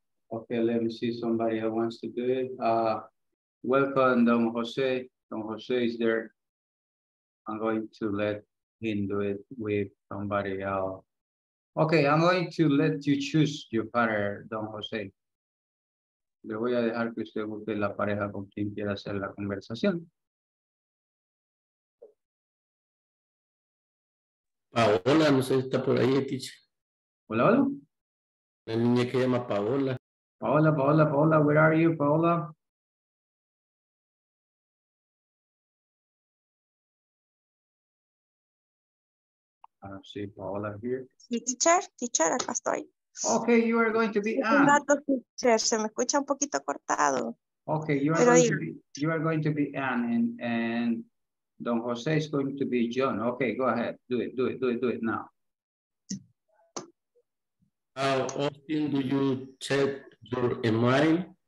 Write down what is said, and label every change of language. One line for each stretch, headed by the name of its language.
English: Okay, let me see somebody that wants to do it. Welcome, Don Jose. Don Jose is there. I'm going to let him do it with somebody else. Okay, I'm going to let you choose your partner, Don Jose.
Spanish: Le voy a dejar que usted busque la pareja con quien quiera hacer la conversación. Paola, no sé si está por ahí, teacher. Hola, hola. La niña que llama Paola.
English: Paola, Paola, Paola, where are you, Paola?
Spanish: Sí,
English: Paola, here.
Spanish: Sí, teacher, teacher, acá estoy.
English: Okay, you are going to be Anne.
Spanish: Un rato, teacher, se me escucha un poquito cortado.
English: Okay, you are going to be Anne, and Don Jose is going to be John. Okay, go ahead. Do it now. How often do you check your email?